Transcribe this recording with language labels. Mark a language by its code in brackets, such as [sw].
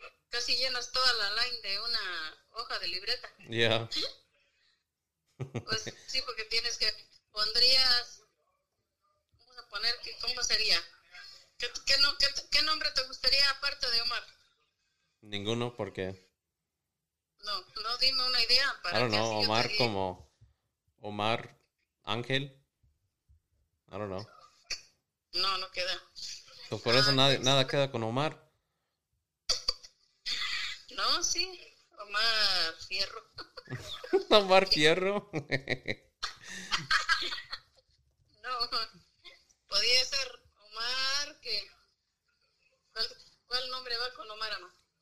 [es] Casi llenas toda la line de una hoja de libreta. Ya. Yeah. Pues sí, porque tienes que... Pondrías... Vamos a poner... ¿Cómo sería? ¿Qué nombre te gustaría aparte de Omar? Ninguno, ¿por qué? No, dime una idea. [en] I don't know, Omar como... Omar Ángel. I don't know. [es] No, no queda. Pues por eso nada queda con Omar. No, sí. Omar Fierro. Omar Fierro. No, podía ser Omar, que ¿cuál nombre va con Omar, Ana?